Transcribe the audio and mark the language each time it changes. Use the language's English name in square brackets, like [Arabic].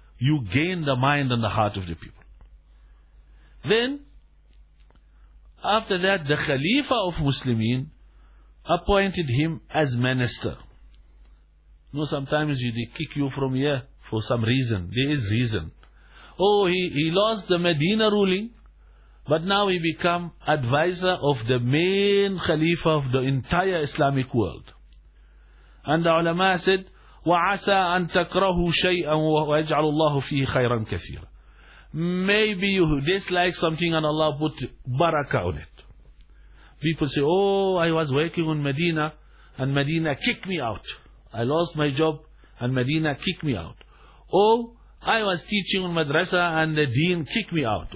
[English] You gain the mind and the heart of the people. Then, after that, the Khalifa of Muslimin appointed him as minister. You know, sometimes they kick you from here for some reason. There is reason. Oh, he lost the Medina ruling, but now he become advisor of the main Khalifa of the entire Islamic world. And the ulama said, [Arabic] وَعَسَىٰ أَن تَكْرَهُ شَيْئًا وَيَجْعَلُ اللَّهُ فِيهِ خَيْرًا كَثِيرًا. [English] Maybe you dislike something and Allah put barakah on it. People say, oh, I was working on Medina and Medina kicked me out. I lost my job and Medina kicked me out. Oh, I was teaching in madrasa and the deen kicked me out.